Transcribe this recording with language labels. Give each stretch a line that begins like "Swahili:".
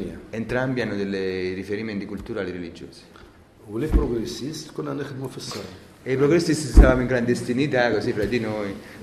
Italian: Entrambi hanno dei riferimenti culturali religiosi. E i progressisti
Arabic: كنا نخدموا في السر.
Italian: E i progressisti stavamo in clandestinità così fra di noi.